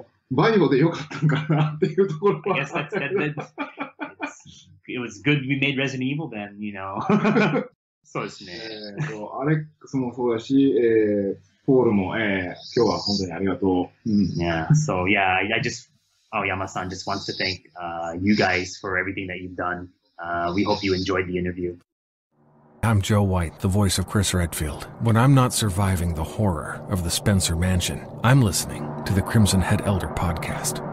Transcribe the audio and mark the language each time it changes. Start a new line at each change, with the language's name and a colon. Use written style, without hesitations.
Japanese: バイオでよかったんかなっていうところは。
English: I guess that's good. It was good we made Resident Evil then,
Japanese: そうですね。アレックスもそうだし、ポールも、今日は本当にありがとう。
English: Yeah, so yeah, I just, Aoyama-san just wants to thank you guys for everything that you've done. We hope you enjoyed the interview. I'm Joe White, the voice of Chris Redfield. When I'm not surviving the horror of the Spencer Mansion, I'm listening to the Crimson Head Elder podcast.